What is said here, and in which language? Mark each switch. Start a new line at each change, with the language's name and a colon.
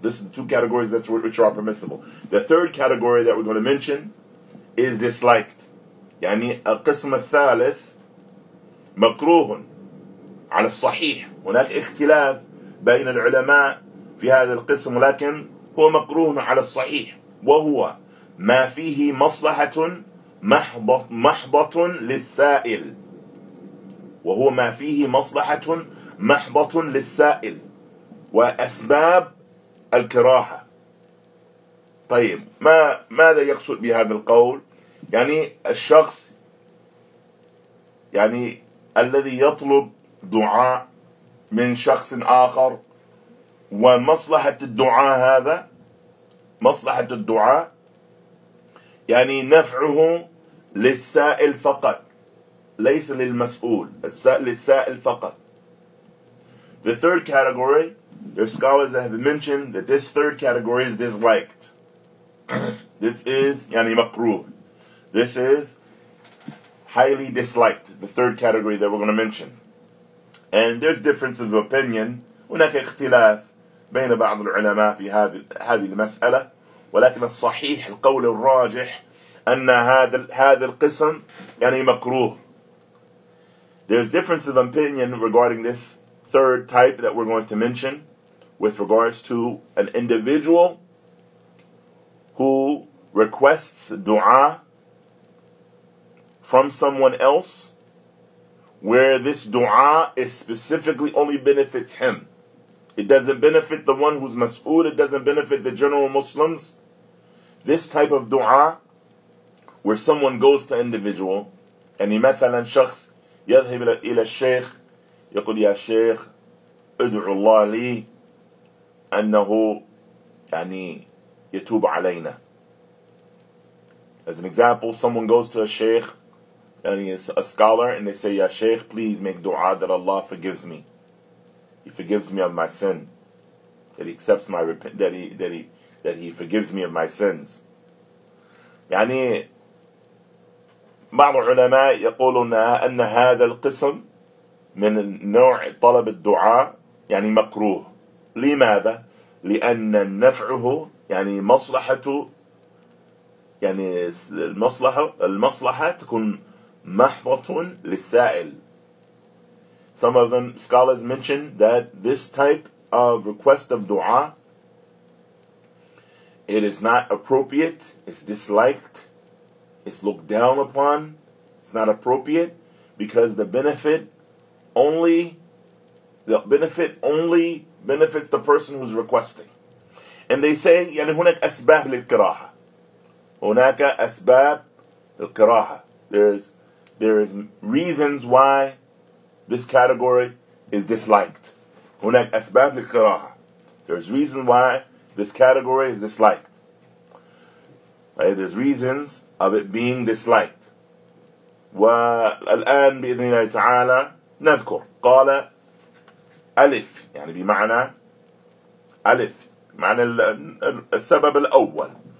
English: This is the two categories that which are permissible. The third category that we're going to mention is disliked.
Arabic: يعني القسم الثالث مكروه على الصحيح. هناك اختلاف بين العلماء في هذا القسم، لكن هو مكروه على الصحيح، وهو ما فيه مصلحة محضة للسائل، وهو ما فيه مصلحة محضة للسائل وأسباب الكراهة. طيب، ماذا يقصد بهذا القول؟ يعني الشخص يعني الذي يطلب دعاء من شخص آخر، ومصلحة الدعاء هذا، مصلحة الدعاء يعني نفعه للسائل فقط، ليس للمسؤول، للسائل فقط.
English: The third category, there are scholars that have mentioned that this third category is disliked. This is
Arabic: يعني مكروه.
English: This is highly disliked, the third category that we're going to mention. And there's differences of opinion.
Arabic: هناك اختلاف بين بعض العلماء في هذه المسألة، ولكن الصحيح، القول الراجح، أن هذا القسم يعني مكروه.
English: There's differences of opinion regarding this third type that we're going to mention with regards to an individual who requests dua from someone else, where this dua is specifically only benefits him. It doesn't benefit the one who's mas'ud, it doesn't benefit the general Muslims. This type of dua, where someone goes to individual,
Arabic: يعني مثلا شخص يذهب إلى الشيخ يقول يا شيخ ادعو الله لي أنه يعني يتوب علينا.
English: As an example, someone goes to a sheikh, and he is a scholar, and they say, Ya Sheikh, please make dua that Allah forgives me. He forgives me of my sin. That he accepts my that he forgives me of my sins.
Arabic: يعني بعض العلماء يقولون أن هذا القسم من نوع طلب الدعاء يعني مكروه. لماذا؟ لأن نفعه يعني مصلحته يعني المصلحة تكون محضة للسائل.
English: Some of them scholars mentioned that this type of request of dua, it is not appropriate, it's disliked, it's looked down upon, it's not appropriate, because the benefit only benefits the person who's requesting. And they say
Arabic: يعني هناك أسباب للكراهة. هناك أسباب الكراهة.
English: There is reasons why this category is disliked.
Arabic: هناك أسباب للكراهة.
English: There's reason why this category is disliked. Right? There's reasons of it being disliked.
Arabic: والآن بإذن الله تعالى نذكر. قال ألف يعني بمعنى ألف معنى السبب الأول.